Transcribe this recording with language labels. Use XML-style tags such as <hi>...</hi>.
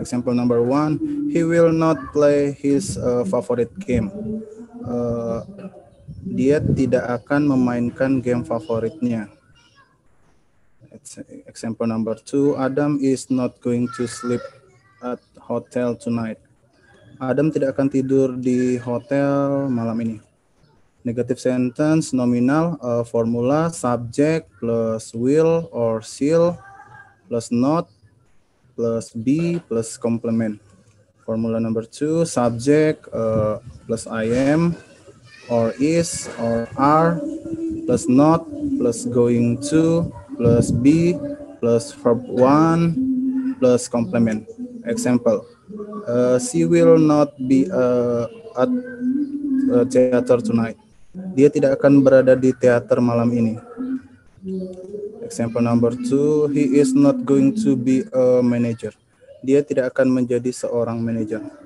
<en>Example number one, he will not play his favorite game.</en> <id>Dia tidak akan memainkan game favoritnya.</id> <en>Example number two, Adam is not going to sleep at hotel tonight.</en> <id>Adam tidak akan tidur di hotel malam ini.</id> <en>Negative sentence, nominal, formula, subject, plus will or shall, plus not, plus be, plus complement. Formula number two, subject, plus I am, or is, or are, plus not, plus going to, plus be, plus verb one, plus complement. Example, she will not be at theater tonight.</en> <id>Dia tidak akan berada di teater malam ini.</id> <en>Example number two, he is not going to be a manager.</en> <id>Dia tidak akan menjadi seorang manager.</id>